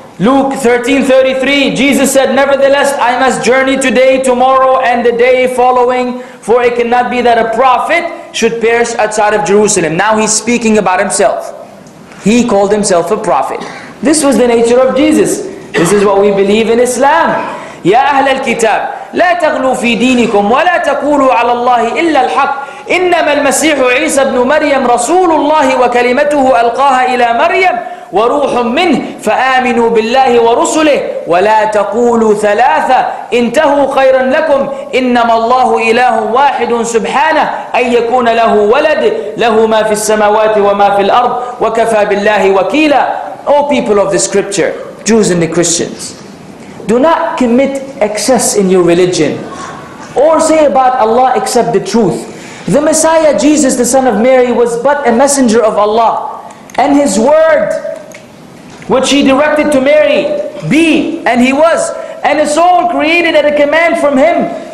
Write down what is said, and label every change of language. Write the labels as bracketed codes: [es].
[en] Luke 13:33, Jesus said, nevertheless, I must journey today, tomorrow, and the day following, for it cannot be that a prophet should perish outside of Jerusalem. Now he's speaking about himself. He called himself a prophet. This was the nature of Jesus. This is what we believe in Islam. [ar] يا أهل الكتاب لا تغلوا في دينكم ولا تقولوا على الله إلا الحق إنما المسيح عيسى بن مريم رسول الله وكلمته ألقاها إلى مريم وروح منه فآمنوا بالله ورسله ولا تقولوا ثلاثة انتهوا خيرا لكم إنما الله إله واحد سبحانه أن يكون له ولد له ما في السماوات وما في الأرض وكفى بالله وكيلا. [en] O people of the scripture, Jews and the Christians, do not commit excess in your religion or say about Allah except the truth. The Messiah Jesus, the son of Mary, was but a messenger of Allah, and his word which he directed to Mary, be, and he was, and a soul created at a command from him.